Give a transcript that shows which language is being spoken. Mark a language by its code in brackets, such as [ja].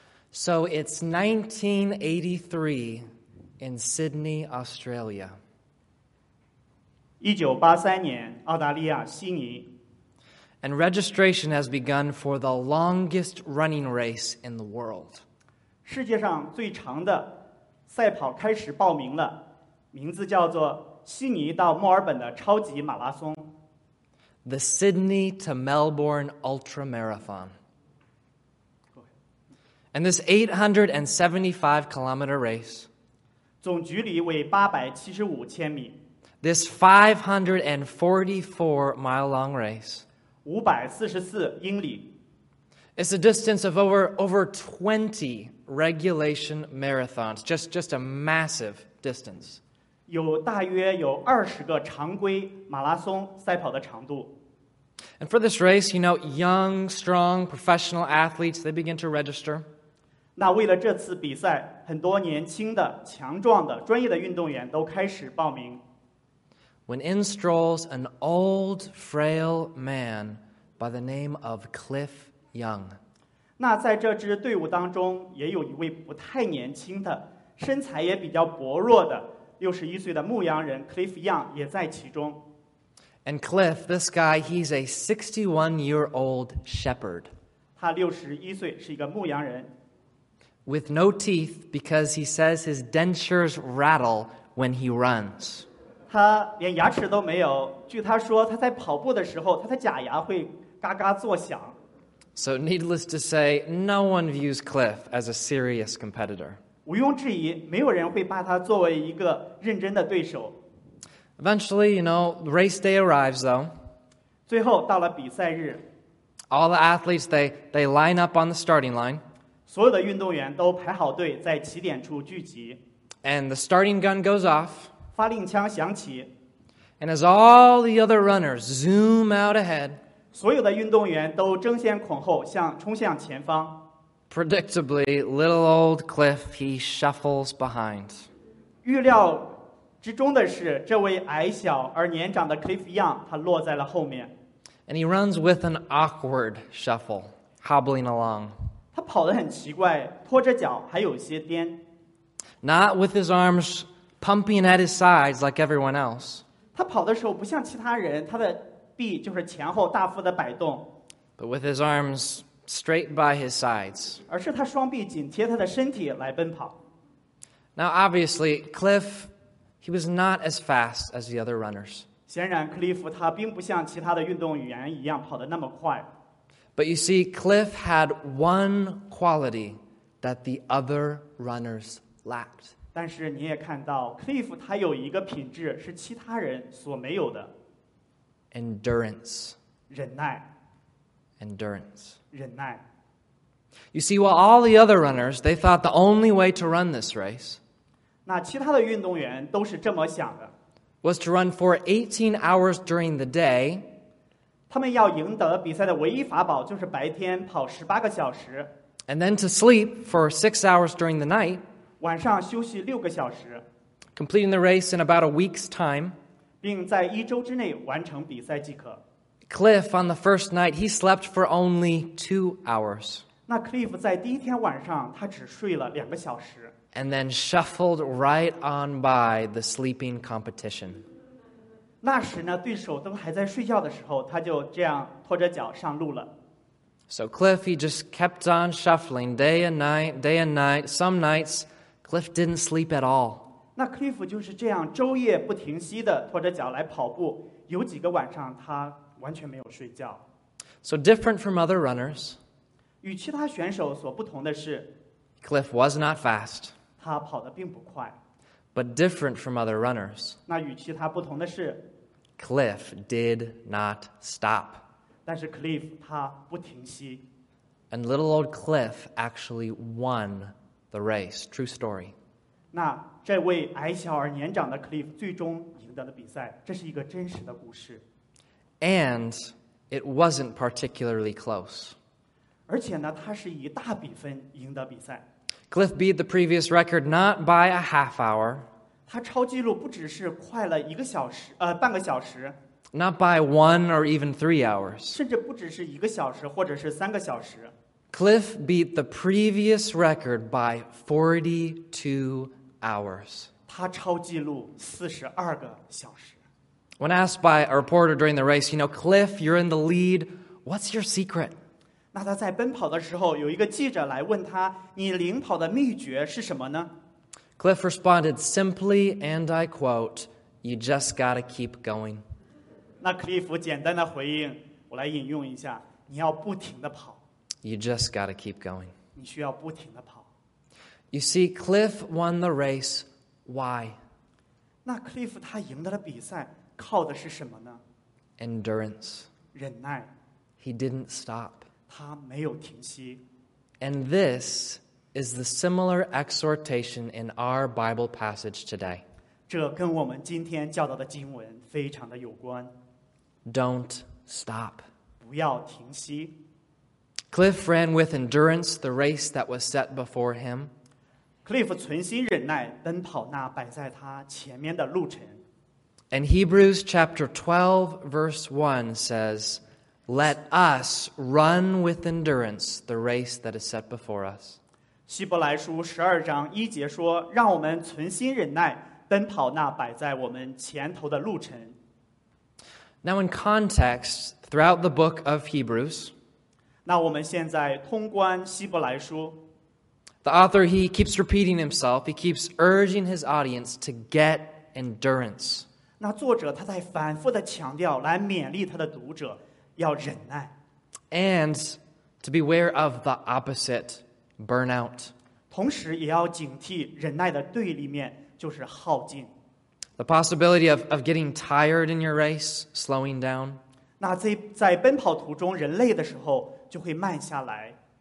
[en] So it's 1983 in Sydney, Australia. [zh] 1983年，澳大利亚悉尼。 [en] And registration has begun for the longest running race in the world. [zh] 世界上最长的赛跑开始报名了，名字叫做悉尼到墨尔本的超级马拉松。 [en] The Sydney to Melbourne Ultra Marathon. And this 875-kilometer race, [zh] 总距离为875千米, [en] this 544-mile-long race, [zh] 544英里, [en] is a distance of over 20 regulation marathons, just a massive distance. [zh] 有大约有20个常规马拉松赛跑的长度。 [en] And for this race, you know, young, strong, professional athletes, they begin to register. [zh] 那为了这次比赛，很多年轻的、强壮的、专业的运动员都开始报名。 [en] When in strolls an old, frail man by the name of Cliff Young. [zh] 那在这支队伍当中，也有一位不太年轻的、身材也比较薄弱的61岁的牧羊人 Cliff Young 也在其中。 [en] And Cliff, this guy, he's a 61-year-old shepherd. [zh] 他61岁，是一个牧羊人。 [en] With no teeth because he says his dentures rattle when he runs. [zh] 他连牙齿都没有，据他说他在跑步的时候他的假牙会嘎嘎作响。 [en] So needless to say, no one views Cliff as a serious competitor. [zh] 毋庸置疑，没有人会把他作为一个认真的对手。 [en] Eventually, you know, race day arrives though. [zh] 最后到了比赛日。 [en] All the athletes, they line up on the starting line. [zh] 所有的运动员都排好队在起点处聚集。 [en] And the starting gun goes off. [zh] 发令枪响起。 [en] And as all the other runners zoom out ahead. [zh] 所有的运动员都争先恐后向冲向前方。 [en] Predictably, little old Cliff, he shuffles behind. [zh] 预料之中的是这位矮小而年长的 Cliff Young, 他落在了后面。 [en] And he runs with an awkward shuffle, hobbling along. [zh] 他跑得很奇怪，拖着脚还有些颠。 [en] Not with his arms pumping at his sides like everyone else. [zh] 他跑的时候不像其他人，他的臂就是前后大幅的摆动。 [en] But with his arms straight by his sides. [zh] 而是他双臂紧贴他的身体来奔跑。 [en] Now, obviously, Cliff, he was not as fast as the other runners. [zh] 显然，克里夫他并不像其他的运动员一样跑得那么快。 [en] But you see, Cliff had one quality that the other runners lacked. [zh] 但是你也看到，克里夫他有一个品质是其他人所没有的。 [en] Endurance. [zh] 忍耐。 [en] Endurance. [zh] 忍耐。 [en] You see, while all the other runners, they thought the only way to run this race [zh] 那其他的运动员都是这么想的 [en] was to run for 18 hours during the day [zh] 他们要赢得比赛的唯一法宝就是白天跑18个小时 [en] and then to sleep for 6 hours during the night [zh] 晚上休息6个小时 [en] completing the race in about a week's time [zh] 并在一周之内完成比赛即可 [en] Cliff, on the first night, he slept for only 2 hours [zh] 那 Cliff 在第一天晚上他只睡了两个小时 [en] and then shuffled right on by the sleeping competition [zh] 那时呢对手都还在睡觉的时候他就这样拖着脚上路了 [en] so Cliff he just kept on shuffling day and night some nights Cliff didn't sleep at all [zh] 那 Cliff 就是这样昼夜不停息的拖着脚来跑步有几个晚上他完全没有睡觉 [en] so different from other runners [zh] 与其他选手所不同的是 [en] Cliff was not fast [zh] 他跑得并不快 [en] But different from other runners [zh] 那与其他不同的是 [en] Cliff did not stop [zh] 但是 Cliff 他不停息 [en] And little old Cliff actually won the race True story [zh] 那这位矮小而年长的 Cliff 最终赢得了比赛这是一个真实的故事 [en] And it wasn't particularly close [zh] 而且呢，他是以大比分赢得比赛。 [en] Cliff beat the previous record not by a half hour. [zh] 他超纪录不只是快了一个小时，半个小时。 [en] Not by one or even 3 hours. [zh] 甚至不只是一个小时，或者是三个小时。 [en] Cliff beat the previous record by 42 hours. [zh] 他超纪录42个小时。 [en] When asked by a reporter during the race, you know, Cliff, you're in the lead. What's your secret? [zh] 那他在奔跑的时候有一个记者来问他你领跑的秘诀是什么呢 [en] Cliff responded simply and I quote You just gotta keep going [zh] 那 Cliff 简单的回应我来引用一下你要不停的跑 [en] You just gotta keep going [zh] 你需要不停的跑 [en] You see Cliff won the race Why? [zh] 那 Cliff 他赢得了比赛靠的是什么呢 [en] Endurance [zh] 忍耐 [en] He didn't stop [zh] 他没有停息。 [en] And this is the similar exhortation in our Bible passage today. [zh] 这跟我们今天教导的经文非常的有关。 [en] Don't stop. [zh] 不要停息。 [en] Cliff ran with endurance the race that was set before him. [zh] Cliff 存心忍耐奔跑那摆在他前面的路程。 [en] And Hebrews chapter 12 verse 1 says,Let us run with endurance the race that is set before us. [zh] 希伯来书十二章一节说，让我们存心忍耐，奔跑那摆在我们前头的路程。 [en] Now, in context, throughout the book of Hebrews, [zh] 那我们现在通关希伯来书。 [en] The author he keeps repeating himself. He keeps urging his audience to get endurance. [zh] 那作者他在反复的强调，来勉励他的读者。要忍耐 [en] and to beware of the opposite burnout [zh] 同时也要警惕忍耐的对立面就是耗尽 the possibility of getting tired in your race slowing down 那在奔跑途中人累的时候就会慢下来